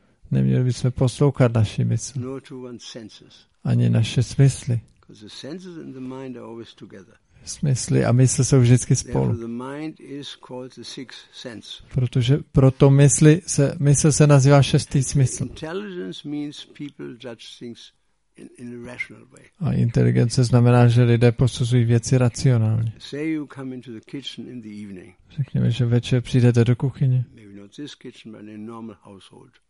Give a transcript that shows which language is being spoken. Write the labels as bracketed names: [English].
[Czech] Neměli bychom poslouchat naši mysl. [English] Nor to one's senses. [Czech] Ani naše smysly. [English] Because the senses and the mind are always together. [Czech] Smysly a mysl jsou vždycky spolu. [English] The mind is called the sixth sense. [Czech] Protože proto mysl se nazývá šestý smysl. [English] Intelligence means people judge things in a rational way. [Czech] A inteligence znamená, že lidé posuzují věci racionálně. [English] Say you come into the kitchen in the evening. [Czech] Řekněme, že večer přijdete do kuchyně. [English] Maybe not this kitchen, but in a normal household.